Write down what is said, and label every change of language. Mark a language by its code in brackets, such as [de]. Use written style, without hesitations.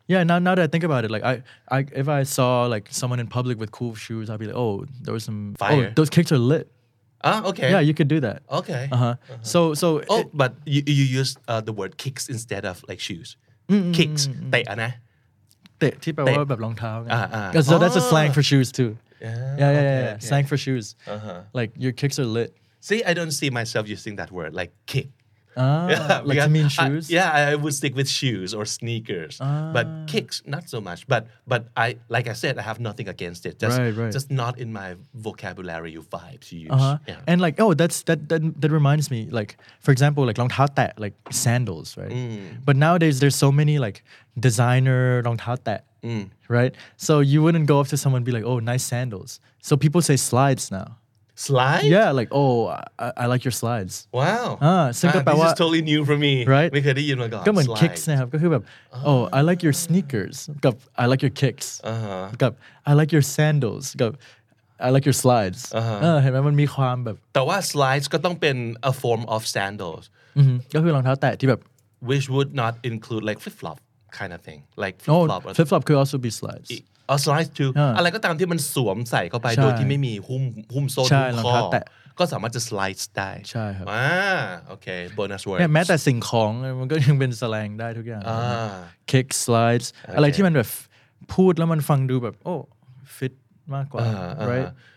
[en] Yeah, now that I think about it, like I if I saw like someone in public with cool shoes, I'd be like, oh, there was some fire. Oh, those kicks are lit. Okay. Yeah, you could do that. Okay. So. Oh, but you use the word kicks instead of like shoes. Kicks. [th] เตะ นะ เตะที่แปลว่าแบบรองเท้าไง [en] so that's a slang for shoes too yeah, okay. slang for shoes like your kicks are lit see I don't see myself using that word like kick like to mean shoes I would stick with shoes or sneakers but kicks not so much but I like I said I have nothing against it just not in my vocabulary you vibe to use and like oh that reminds me like for example like รองเท้าแตะ like sandals right but nowadays there's so many like designer รองเท้าแตะ right so you wouldn't go up to someone and be like oh nice sandals so people say slides now Slides? Yeah, like, oh, I like your slides. Wow. This is totally new for me. Right? We could even go on slides. Come on, kicks. Oh, I like your sneakers. I like your kicks. I like your sandals. I like your slides. Uh-huh. [th] เห็นไหมมันมีความแบบ [en] แต่ว่า slides ก็ต้องเป็น a form of sandals. [th] ก็คือรองเท้าแตะที่แบบ [en] Which would not include like flip-flop kind of thing. Like flip-flop. Oh, flip-flop could also be slides. [th] อ๋อ slides too อะไรก็ตามที่มันสวมใส่เข้าไปโดยที่ไม่มีหุ้มโซ่หุ้มข้อก็สามารถจะ slides ได้ ใช่ครับ โอเค bonus word เนี่ยแม้แต่สิ่งของมันก็ยังเป็น slang ได้ทุกอย่าง kick slides อะไรที่มันแบบพูดแล้วมันฟังดูแบบโอ้ fit มากกว่า right